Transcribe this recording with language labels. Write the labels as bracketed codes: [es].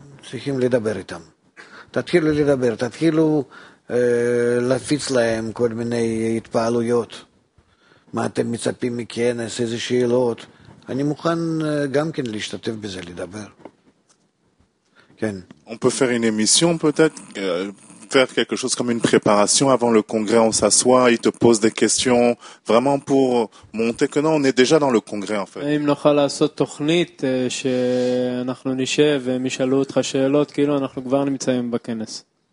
[he] צריכים לדבר איתם. תתחילו לדבר, תתחילו להפיץ להם כל מיני התפעלויות. מה אתם מצפים מכנס, איזה שאלות. אני מוכן גם כן להשתתף בזה, לדבר. כן. [fr] On peut faire une émission peut-être, faire quelque chose comme une préparation avant le congrès, on s'assoit, ils te posent des questions, vraiment pour monter que non, on est déjà dans le congrès en fait. [he] אם נוכל לעשות תוכנית שאנחנו נשב והם ישאלו אותך שאלות, כאילו אנחנו כבר נמצאים בכנס.